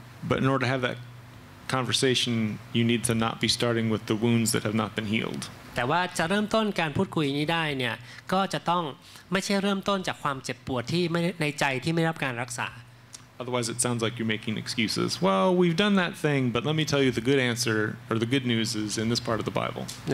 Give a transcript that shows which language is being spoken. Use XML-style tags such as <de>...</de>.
<en>but in order to have that conversation you need to not be starting with the wounds that have not been healed</en> <th>แต่ว่าจะเริ่มต้นการพูดคุยนี้ได้เนี่ยก็จะต้องไม่ใช่เริ่มต้นจากความเจ็บปวดที่ในใจที่ไม่รับการรักษา</th> <en>Otherwise, it sounds like you're making excuses. Well, we've done that thing, but let me tell you the good answer or the good news is in this part of the Bible.</en>